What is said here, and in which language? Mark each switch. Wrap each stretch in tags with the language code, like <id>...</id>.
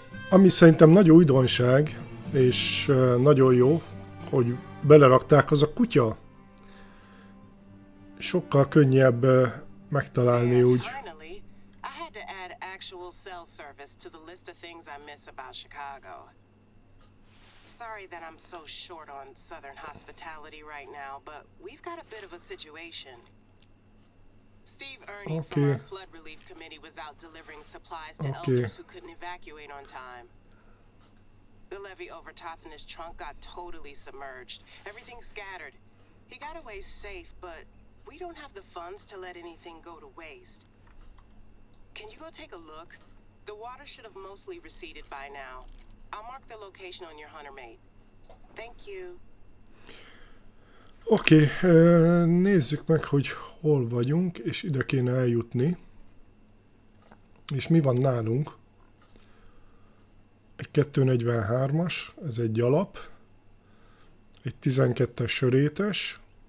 <hu>Ami szerintem nagy újdonság, és nagyon jó, hogy belerakták, az a kutya. Sokkal könnyebb megtalálni úgy.</hu> <en>Finally, I had to add actual cell service to the list of things I miss about Chicago. Sorry that I'm so short on southern hospitality right now, but we've got a bit of a situation. Steve Ernie from our flood relief committee was out delivering supplies to elders who couldn't evacuate on time. The levee overtopped and his trunk got totally submerged. Everything scattered. He got away safe, but we don't have the funds to let anything go to waste. Can you go take a look? The water should have mostly receded by now. I'll mark the location on your hunter mate. Thank you.</en> <hu>Okay, nézzük meg, hogy hol vagyunk, és ide kéne eljutni. És mi van nálunk? Egy 243-as, ez egy alap. Egy 12-es sörétes.</hu>